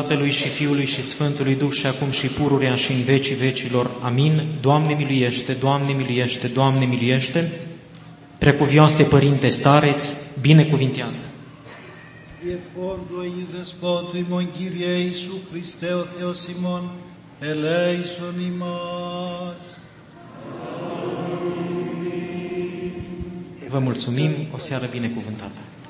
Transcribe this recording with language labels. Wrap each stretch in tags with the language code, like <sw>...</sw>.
<ro>Și Fiului și Sfântului Duh și acum și pururea și în vecii vecilor. Amin. Doamne miluiește, Doamne miluiește, Doamne miluiește. Precuvioase Părinte Stareț, binecuvintează.</ro> <el>Ευχόντου ειν Δεσπότου ημών Κύριε Ιησού Χριστέ ο Θεός ημών, ελέησον ημάς.</el> <ro>Vă mulțumim, o seară binecuvântată.</ro>